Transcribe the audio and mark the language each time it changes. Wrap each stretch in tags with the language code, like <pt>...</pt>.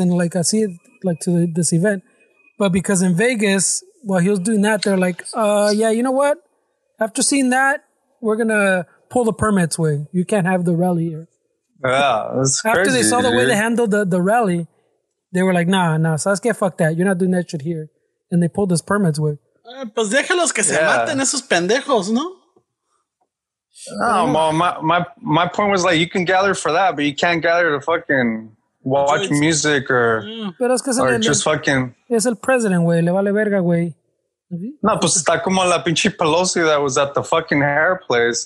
<en>And like, I see it like to this event. But because in Vegas, while he was doing that, they're like, yeah, you know what? After seeing that, we're going to pull the permits, way. You can't have the rally here. Yeah, that's crazy. After they saw the way they handled the rally, they were like, nah, Sasuke, fuck that. You're not doing that shit here. And they pulled his permits, way.</en> <es>Pues déjalos que se maten esos pendejos, ¿no?</es> <en>No, my point was like you can gather for that, but you can't gather to fucking watch music or just fucking.</en> <es>Es el president, güey. Le vale verga, güey. No, pues está como la pinche</es> <en>Pelosi that was at the fucking hair place.</en>